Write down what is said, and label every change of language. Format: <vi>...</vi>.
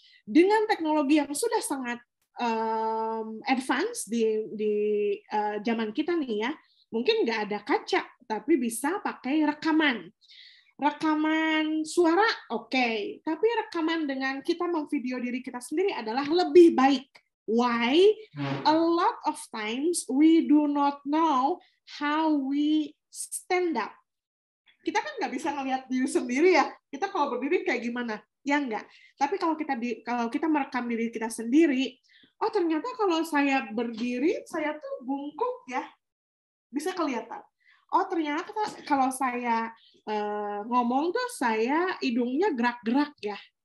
<id>Dengan teknologi yang sudah sangat advance di zaman kita nih ya, mungkin nggak ada kaca, tapi bisa pakai rekaman. Rekaman suara, okay. Tapi rekaman dengan kita memvideo diri kita sendiri adalah lebih baik.</id> <en>Why? A lot of times we do not know how we stand up.</en> <id>Kita kan nggak bisa ngelihat diri sendiri ya. Kita kalau berdiri kayak gimana? Ya nggak. Tapi kalau kita merekam diri kita sendiri, oh ternyata kalau saya berdiri, saya tuh bungkuk ya. Bisa kelihatan. Oh ternyata kalau saya ngomong tuh saya hidungnya gerak-gerak ya.</id>